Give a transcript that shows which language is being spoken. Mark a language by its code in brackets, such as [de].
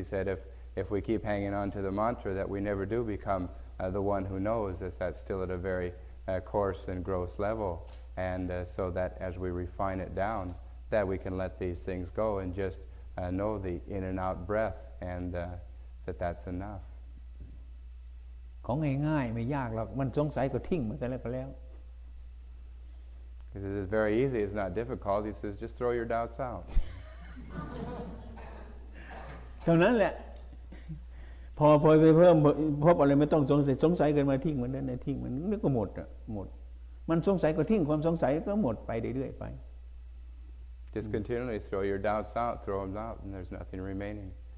[en] He said if we keep hanging on to the mantra, that we never do become the one who knows, is that still at a very coarse and gross level, and so that as we refine it down, that we can let these things go and just know the in and out breath, and that's enough. [th] ของง่ายๆไม่ยากหรอกมันสงสัยก็ทิ้งมันซะแล้ว [en] He says it's very easy, it's not difficult. He says just throw your doubts out. [th] เท่านั้นแหละพอไปเพิ่มพบอะไรไม่ต้องสงสัยเกินมาทิ้งมันนั่นทิ้งมันนึกก็หมดมันสงสัยก็ทิ้งความสงสัยก็หมดไปเรื่อยๆไป [en] Just continually throw your doubts out, throw them out, and there's nothing remaining.